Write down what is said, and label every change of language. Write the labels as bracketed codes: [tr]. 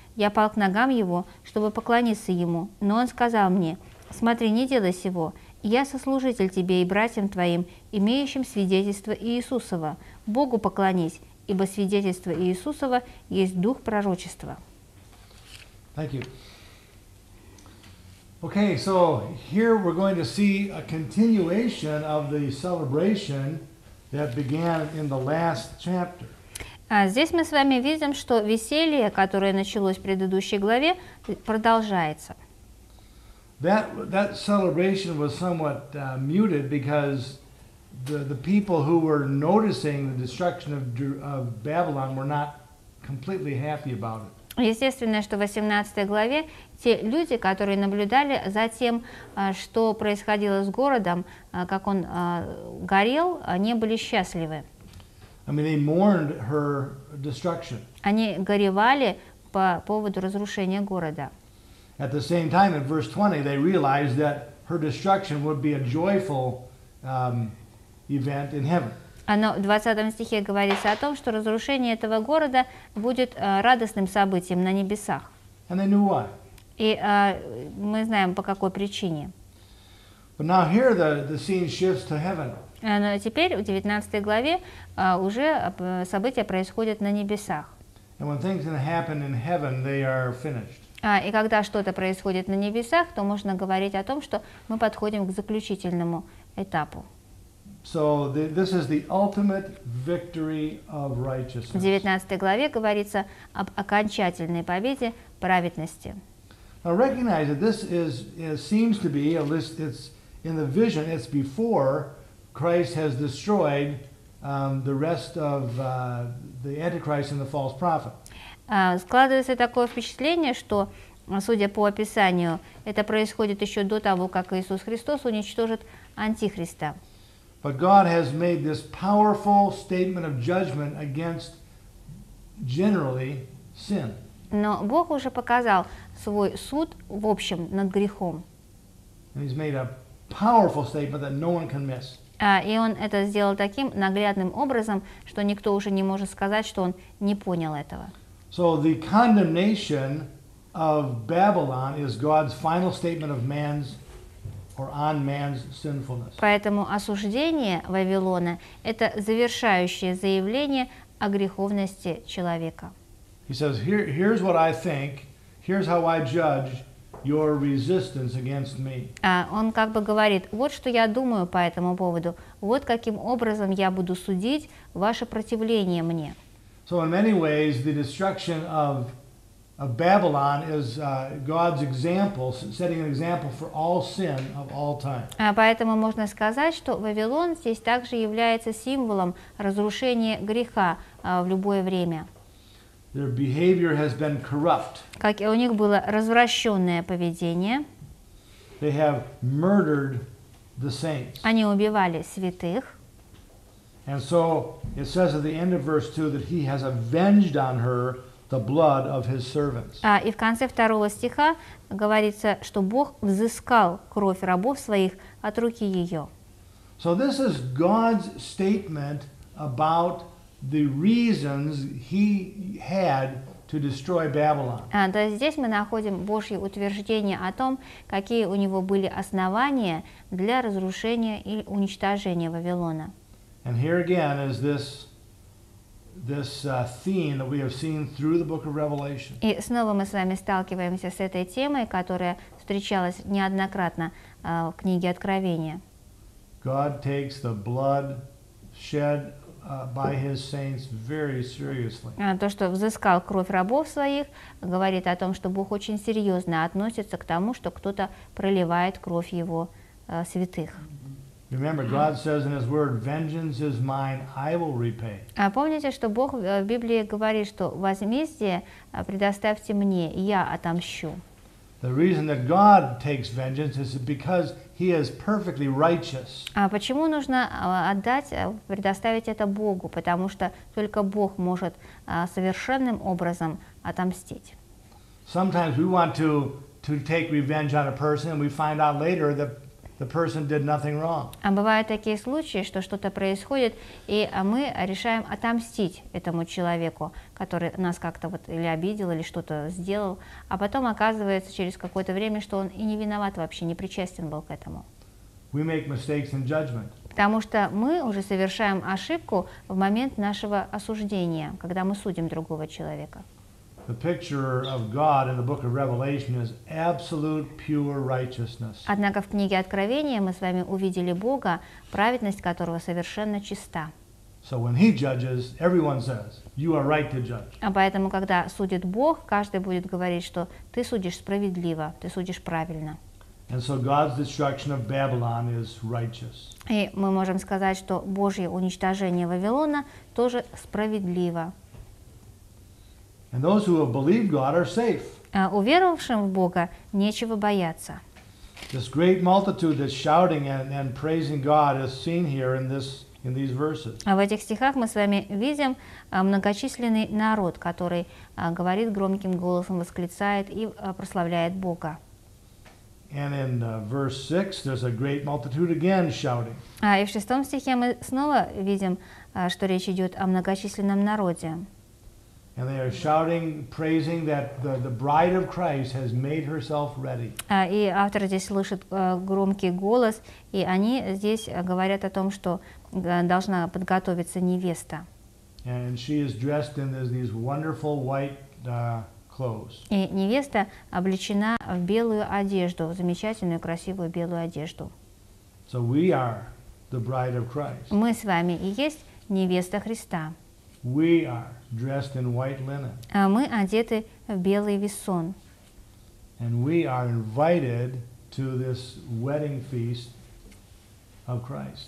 [ru] Я пал к ногам его, чтобы поклониться ему. Но он сказал мне: Смотри, не делай сего. Я сослужитель тебе и братьям твоим, имеющим свидетельство Иисусова. Богу поклонись, ибо свидетельство Иисусова есть дух пророчества. [en] Thank you. Okay, so here we're going to see a continuation of the celebration that began in the last chapter. [ru] Здесь мы с вами видим, что веселье, которое началось в предыдущей главе, продолжается. [en] That celebration was somewhat muted because the people who were noticing the destruction of Babylon were not completely happy about it. [ru] Естественно, что в 18 главе те люди, которые наблюдали за тем, что происходило с городом, как он горел, не были счастливы. [en] I mean, they mourned her destruction. [ru] Они горевали по поводу разрушения города. [en] At the same time, in verse 20, they realized that her destruction would be a joyful event in heaven. [ru] Оно в 20 стихе говорится о том, что разрушение этого города будет радостным событием на небесах. [en] And they knew why. [ru] И мы знаем, по какой причине. [en] But now here the scene shifts to heaven. [ru] Но теперь в 19 главе уже события происходят на небесах. [en] And when things happen in heaven, they are finished. [ru] И когда что-то происходит на небесах, то можно говорить о том, что мы подходим к заключительному этапу. [en] So this is the ultimate victory of righteousness. [ru] В 19 главе говорится об окончательной победе праведности. [en] Now recognize that it's in the vision, it's before Christ has destroyed the rest of the Antichrist and the false prophet. [ru] Складывается такое впечатление, что, судя по описанию, это происходит еще до того, как Иисус Христос уничтожит Антихриста. [en] But God has made this powerful statement of judgment against generally sin. [ru] Но Бог уже показал свой суд в общем над грехом. [en] And he's made a powerful statement that no one can miss. [ru] И он это сделал таким наглядным образом, что никто уже не может сказать, что он не понял этого. [en] So the condemnation of Babylon is God's final statement of man's or on man's sinfulness. [ru] Поэтому осуждение Вавилона — это завершающее заявление о греховности человека. [en] He says, "Here's what I think. Here's how I judge your resistance against me." [ru] Он как бы говорит: вот что я думаю по этому поводу. Вот каким образом я буду судить ваше противление мне. [en] So in many ways, the destruction of Babylon is God's example, setting an example for all sin of all time. [ru] Поэтому можно сказать, что Вавилон здесь также является символом разрушения греха в любое время. [en] Their behavior has been corrupt. [ru] Как у них было развращенное поведение. [en] They have murdered the saints. [ru] Они убивали святых. [en] And so it says at the end of verse 2 that he has avenged on her the blood of his servants. [ru] И в конце второго стиха говорится, что Бог взыскал кровь рабов своих от руки ее. [en] So this is God's statement about the reasons he had to destroy Babylon. [ru] То есть здесь мы находим Божье утверждение о том, какие у него были основания для разрушения и уничтожения Вавилона. [en] And here again is this theme that we have seen through the book of Revelation. [ru] И снова мы с вами сталкиваемся с этой темой, которая встречалась неоднократно в книге Откровения. [en] God takes the blood shed by his saints very seriously. [ru] То, что взыскал кровь рабов своих, говорит о том, что Бог очень серьезно относится к тому, что кто-то проливает кровь его святых. [en] Remember, God says in his word, vengeance is mine, I will repay. [ru] Помните, что Бог в Библии говорит, что возмездие предоставьте мне, я отомщу. [en] The reason that God takes vengeance is because he is perfectly righteous. [ru] Почему нужно отдать, предоставить это Богу? Потому что только Бог может совершенным образом отомстить. [en] Sometimes we want to take revenge on a person and we find out later that the person did nothing wrong. [ru] Бывают такие случаи, что что-то происходит, и мы решаем отомстить этому человеку, который нас как-то вот или обидел, или что-то сделал, а потом оказывается через какое-то время, что он и не виноват вообще, не причастен был к этому. [en] We make mistakes in judgment. [ru] Потому что мы уже совершаем ошибку в момент нашего осуждения, когда мы судим другого человека. [en] The picture of God in the book of Revelation is absolute pure righteousness. [ru] Однако в книге Откровения мы с вами увидели Бога, праведность которого совершенно чиста. [en] So when he judges, everyone says, you are right to judge. [ru] Поэтому когда судит Бог, каждый будет говорить, что ты судишь справедливо, ты судишь правильно. [en] And so God's destruction of Babylon is righteous. [ru] И мы можем сказать, что Божье уничтожение Вавилона тоже справедливо. [en] And those who have believed God are safe. [ru] Уверовавшим в Бога нечего бояться. [en] This great multitude that's shouting and praising God is seen here in these verses. [ru] В этих стихах мы с вами видим многочисленный народ, который говорит громким голосом, восклицает и прославляет Бога. [en] And in verse 6 there's a great multitude again shouting. [ru] И в шестом стихе мы снова видим, что речь идет о многочисленном народе. [en] And they are shouting, praising that the bride of Christ has made herself ready. [ru] И автор здесь слышит громкий голос, и они здесь говорят о том, что должна подготовиться невеста. [en] And she is dressed in these wonderful white clothes. [ru] И невеста облачена в белую одежду, в замечательную красивую белую одежду. [en] So we are the bride of Christ. [ru] Мы с вами и есть невеста Христа. [en] We are dressed in white linen. [ru] Мы одеты в белый виссон. [en] And we are invited to this wedding feast of Christ.